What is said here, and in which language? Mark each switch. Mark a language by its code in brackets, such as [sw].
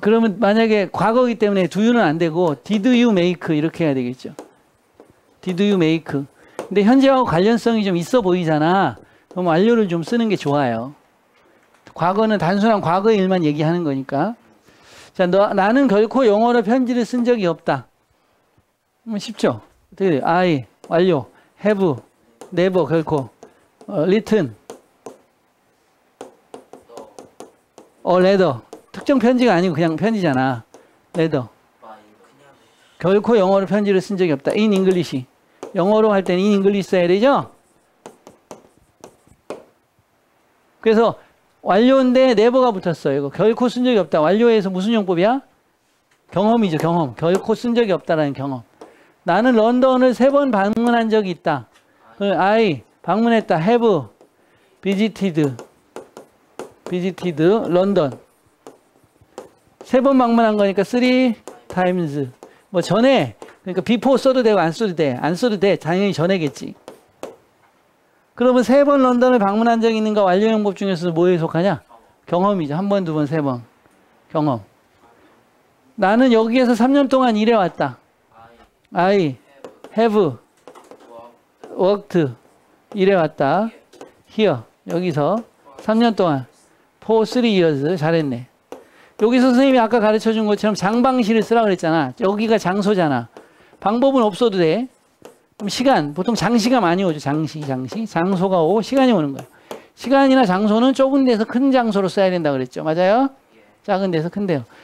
[ko] 그러면 만약에 과거이기 때문에 do you는 안 되고 [en] did you make [ko] 이렇게 해야 되겠죠. [en] Did you make? [ko] 근데 현재하고 관련성이 좀 있어 보이잖아. 그럼 완료를 좀 쓰는 게 좋아요. 과거는 단순한 과거의 일만 얘기하는 거니까. 자, 나는 결코 영어로 편지를 쓴 적이 없다. 쉽죠? 어떻게 돼? [en] I, 완료, have, never, 결코, written, or letter. [ko] 특정 편지가 아니고 그냥 편지잖아. [en] letter. [ko] 결코 영어로 편지를 쓴 적이 없다. [en] In English. [ko] 영어로 할 때는 in English 써야 되죠? 그래서 완료인데 never가 붙었어요. 이거 결코 쓴 적이 없다. 완료에서 무슨 용법이야? 경험이죠. 경험. 결코 쓴 적이 없다라는 경험. 나는 런던을 세 번 방문한 적이 있다. [en] I 방문했다. Have visited. Visited London. [ko] 세 번 방문한 거니까 [en] three times. [ko] 뭐 전에 그러니까 before 써도 되고 안 써도 돼. 안 써도 돼. 당연히 전에겠지. 그러면 세 번 런던을 방문한 적이 있는가 완료형법 중에서 뭐에 속하냐? 경험이죠. 한 번, 두 번, 세 번. 경험. 나는 여기에서 3년 동안 일해왔다. [en] I have worked 일해왔다. [ko] Here. 여기서 3년 동안. [en] For three years. [ko] 잘했네. 여기서 선생님이 아까 가르쳐준 것처럼 장방실을 쓰라고 그랬잖아. 여기가 장소잖아. 방법은 없어도 돼. 그럼 시간, 보통 장시가 많이 오죠. 장시. 장소가 오고 시간이 오는 거야. 시간이나 장소는 좁은 데서 큰 장소로 써야 된다고 그랬죠. 맞아요? 작은 데서 큰데요.